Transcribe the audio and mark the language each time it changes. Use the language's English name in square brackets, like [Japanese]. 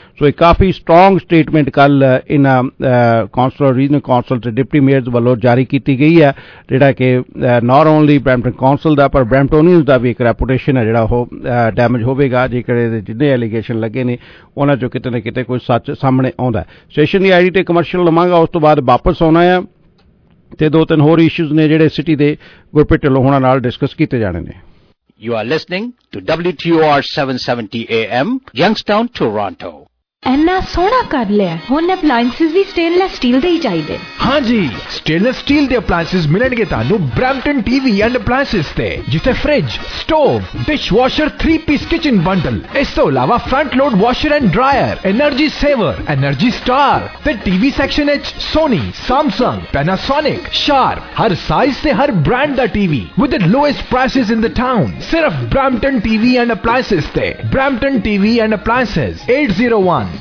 [Punjabi] ਸੋ ਇਹ ਕਾਫ਼ੀ strong statement ਕੱਲ੍ਹ ਇਹਨਾਂ ਕੌਂਸਲਰ, ਰੀਜਨਲ ਕੌਂਸਲ ਅਤੇ ਡਿਪਟੀ ਮੇਅਰ ਵੱਲੋਂ ਜਾਰੀ ਕੀਤੀ ਗਈ ਹੈ, ਜਿਹੜਾ ਕਿ [English] not only [Punjabi] ਬ੍ਰੈਂਪਟਨ ਕੌਂਸਲ ਦਾ ਪਰ ਬ੍ਰੈਂਪਟੋਨੀਅਨਸ ਦਾ ਵੀ ਇੱਕ ਰੈਪੂਟੇਸ਼ਨ ਹੈ ਜਿਹੜਾ ਉਹ ਡੈਮੇਜ ਹੋਵੇਗਾ, ਜੇਕਰ ਇਹਦੇ ਜਿੰਨੇ ਐਲੀਗੇਸ਼ਨ ਲੱਗੇ ਨੇ ਉਹਨਾਂ 'ਚੋਂ ਕਿਤੇ ਨਾ ਕਿਤੇ ਕੋਈ ਸੱਚ ਸਾਹਮਣੇ ਆਉਂਦਾ. ਸਟੇਸ਼ਨ ਦੀ ID 'ਤੇ ਕਮਰਸ਼ੀਅਲ ਲਵਾਂਗਾ, ਉਸ ਤੋਂ ਬਾਅਦ ਵਾਪਸ ਆਉਣਾ ਆ ਅਤੇ ਦੋ ਤਿੰਨ ਹੋਰ ਇਸ਼ੂਜ਼ ਨੇ ਜਿਹੜੇ ਸਿਟੀ ਦੇ ਗੁਰਪ੍ਰੀਤ ਢਿੱਲੋਂ ਹੋਣਾ ਨਾਲ ਡਿਸਕਸ ਕੀਤੇ ਜਾਣੇ ਨੇ. [English] You are listening to WTOR 770 AM, Youngstown, Toronto. [Punjabi] ਇੰਨਾ ਸੋਹਣਾ ਕਰ ਲਿਆ, ਹੁਣ ਅਪਲਾਇੰਸਿਸ ਵੀ ਸਟੇਨਲੈਸ ਸਟੀਲ ਦੇ ਹੀ ਚਾਹੀਦੇ. ਹਾਂਜੀ, ਸਟੇਨਲੈਸ ਸਟੀਲ ਦੇ ਅਪਲਾਇੰਸਿਸ ਮਿਲਣਗੇ ਤੁਹਾਨੂੰ ਬ੍ਰੈਂਪਟਨ ਟੀਵੀ ਐਂਡ ਅਪਲਾਇੰਸਿਸ ਤੇ, ਜਿੱਥੇ fridge, stove, dishwasher, 3 piece kitchen bundle, ਇਸ ਤੋਂ ਇਲਾਵਾ front load washer and dryer, energy saver, energy star, ਤੇ ਟੀਵੀ ਸੈਕਸ਼ਨ ਵਿੱਚ ਸੋਨੀ, ਸੈਮਸੰਗ, ਪੈਨਾਸੋਨਿਕ, ਸ਼ਾਰਪ, ਹਰ ਸਾਈਜ਼ ਤੇ ਹਰ brand ਦਾ TV [English] with the lowest prices in the town, [Punjabi] ਸਿਰਫ Brampton TV and appliances ਤੇ. Brampton TV and appliances, 801